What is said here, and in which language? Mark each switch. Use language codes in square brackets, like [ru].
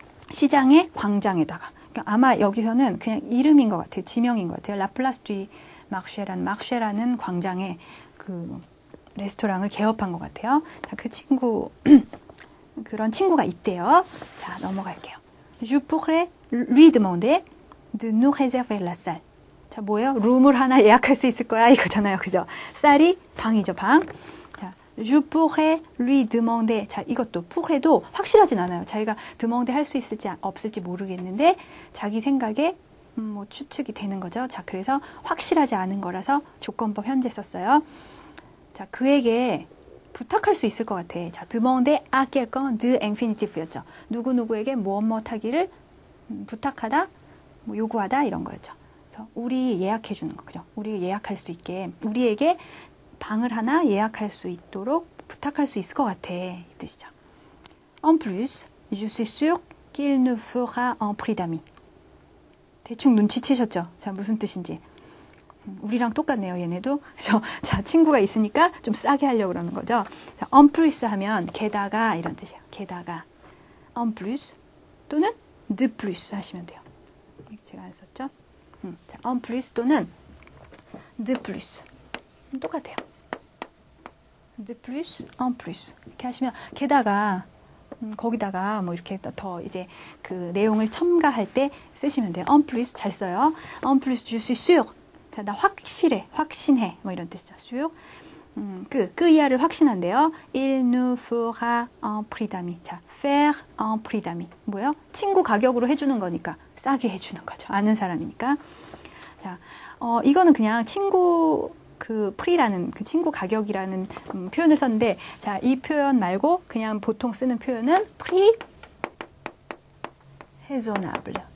[ko] 시장의 광장에다가. 그러니까 아마 여기서는 그냥 이름인 것 같아요. 지명인 것 같아요. La place du marché라는 marché라는 광장에 그 레스토랑을 개업한 것 같아요. 자, 그 친구, 그런 친구가 있대요. 자, 넘어갈게요. [fr] Je pourrais lui demander de nous réserver la salle. [ko] 자, 뭐예요? 룸을 하나 예약할 수 있을 거야? 이거잖아요. 그죠? 쌀이 방이죠, 방. [fr] 자, Je pourrais lui demander. [ko] 자, 이것도, pourrais도 확실하진 않아요. 자기가 demander 할수 있을지 없을지 모르겠는데, 자기 생각에 뭐 추측이 되는 거죠. 자, 그래서 확실하지 않은 거라서 조건법 현재 썼어요. 자, 그에게 부탁할 수 있을 것 같아. [fr] 자, demander à quelqu'un de infinitif였죠. [ko] 누구누구에게 무엇무엇 하기를 부탁하다, 뭐 요구하다, 이런 거였죠. 그래서 우리 예약해 주는 거, 그죠? 우리 예약할 수 있게, 우리에게 방을 하나 예약할 수 있도록 부탁할 수 있을 것 같아. 이 뜻이죠. [fr] En plus, je suis sûr qu'il nous fera un prix d'ami. [ko] 대충 눈치채셨죠? 자, 무슨 뜻인지. 우리랑 똑같네요, 얘네도. 그래서, 자, 친구가 있으니까 좀 싸게 하려고 그러는 거죠. 자, en plus 하면, 게다가, 이런 뜻이에요. 게다가. en plus, 또는 de plus 하시면 돼요. 제가 안 썼죠? 자, en plus 또는 de plus. 똑같아요. de plus, en plus. 이렇게 하시면, 게다가, 거기다가 뭐 이렇게 더 이제 그 내용을 첨가할 때 쓰시면 돼요. En plus 잘 써요. [fr] En plus, je suis sûr. [ko] 자, 나 확실해, 확신해. 뭐 이런 뜻이죠. sûr. 그 이하를 확신한대요. [fr] Il nous fera un prix d'ami. 자, faire un prix d'ami. 뭐요? [ko] 친구 가격으로 해주는 거니까 싸게 해주는 거죠. 아는 사람이니까. 자, 이거는 그냥 친구 그 프리라는 그 친구 가격이라는 표현을 썼는데, 자, 이 표현 말고 그냥 보통 쓰는 표현은 프리 해조나블.